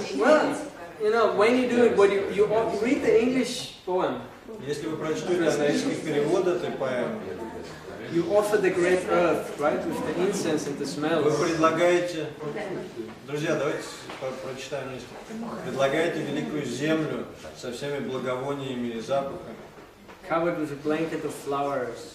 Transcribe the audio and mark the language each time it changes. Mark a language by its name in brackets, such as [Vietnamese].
[English] Well, you know, when you do it, what you read the English poem. [Russian] Если вы прочтете английский перевод этой поэмы. [English] You offer the great earth, right, with the incense and the smells. [Russian] Вы предлагаете, друзья, давайте прочитаем вместе. Предлагаете великую землю со всеми благовониями и запахами. [English] Covered with a blanket of flowers.